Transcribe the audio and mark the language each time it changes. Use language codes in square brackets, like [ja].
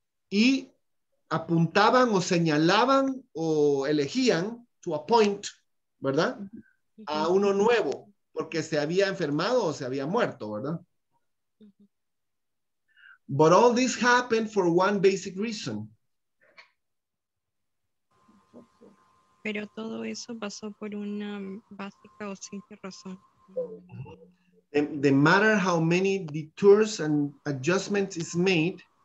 [es] Y apuntaban o señalaban o elegían [en] to appoint, [es] ¿verdad? A uno nuevo, porque se había enfermado o se había muerto, ¿verdad? [en] But all this happened for one basic reason. [es] Pero todo eso pasó por una básica o simple razón. [en] The matter how many detours and adjustments is made.